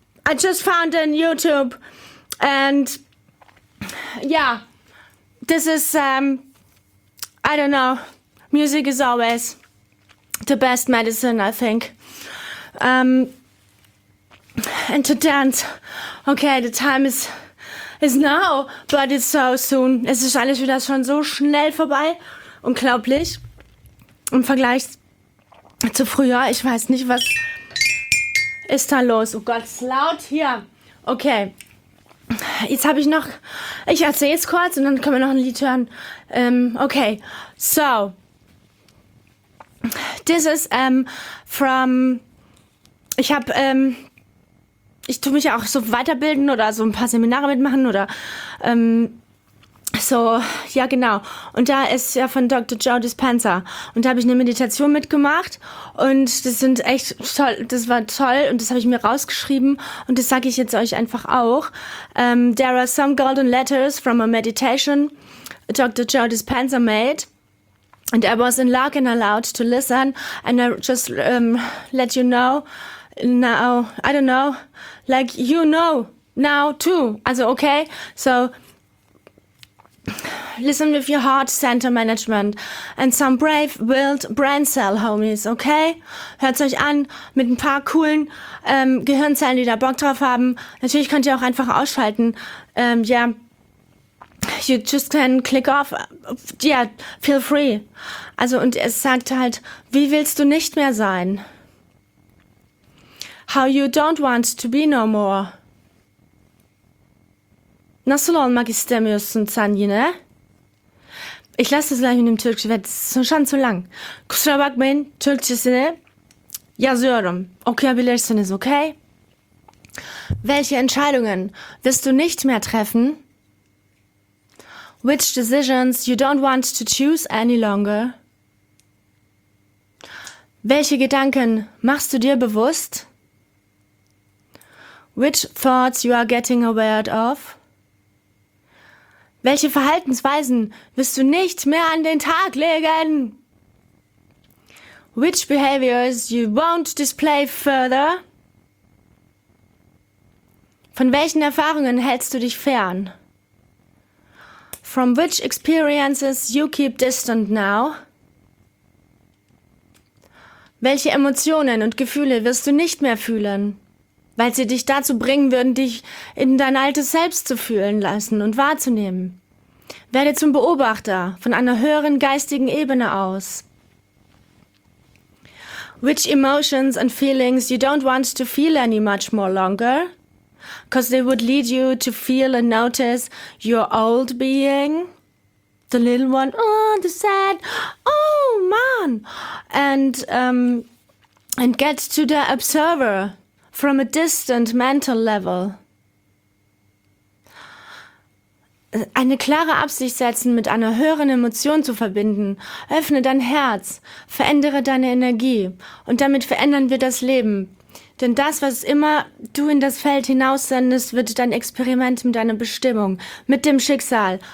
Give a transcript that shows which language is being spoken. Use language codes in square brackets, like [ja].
[en] I just found it on YouTube. And yeah, this is, I don't know. Music is always the best medicine, I think. And to dance. Okay, the time is now, but it's so soon. [de] Es ist alles wieder schon so schnell vorbei. Unglaublich. Im Vergleich zu früher, ich weiß nicht, was ist da los? Oh Gott, ist laut hier. Okay, jetzt habe ich noch, ich erzähle es kurz und dann können wir noch ein Lied hören. [en] Okay, so. This is from, [de] ich habe, ich tue mich auch so weiterbilden oder so ein paar Seminare mitmachen oder so, ja genau. Und da ist ja von Dr. Joe Dispenza. Und da habe ich eine Meditation mitgemacht und das sind echt toll, das war toll und das habe ich mir rausgeschrieben und das sage ich jetzt euch einfach auch. [en] There are some golden letters from a meditation Dr. Joe Dispenza made. And I was in luck and allowed to listen. And I just let you know now, I don't know, like you know now too. Also okay, so listen with your heart center management and some brave wild brain cell homies, okay? [de] Hört es euch an mit ein paar coolen Gehirnzellen, die da Bock drauf haben. Natürlich könnt ihr auch einfach ausschalten, yeah. [en] You just can click off, yeah, feel free. [de] Also, und es sagt halt, wie willst du nicht mehr sein? [en] How you don't want to be no more. Na solon magistemius und zanji, ne? [de] Ich lasse es gleich mit dem Türkisch, weil es ist schon zu lang. [tr] Kusura bakmayın, Türkçesini yazıyorum. Okuyabilirsiniz, okay? [de] Welche Entscheidungen wirst du nicht mehr treffen? [en] Which decisions you don't want to choose any longer? [de] Welche Gedanken machst du dir bewusst? [en] Which thoughts you are getting aware of? [de] Welche Verhaltensweisen wirst du nicht mehr an den Tag legen? [en] Which behaviors you won't display further? [de] Von welchen Erfahrungen hältst du dich fern? [en] From which experiences you keep distant now? [de] Welche Emotionen und Gefühle wirst du nicht mehr fühlen, weil sie dich dazu bringen würden, dich in dein altes Selbst zu fühlen lassen und wahrzunehmen? Werde zum Beobachter von einer höheren geistigen Ebene aus. [en] Which emotions and feelings you don't want to feel any much more longer? Because they would lead you to feel and notice your old being, the little one, oh, the sad, oh, man, and get to the observer from a distant mental level. [de] Eine klare Absicht setzen, mit einer höheren Emotion zu verbinden. Öffne dein Herz, verändere deine Energie und damit verändern wir das Leben. Denn das, was immer du in das Feld hinaussendest, wird dein Experiment mit deiner Bestimmung, mit dem Schicksal.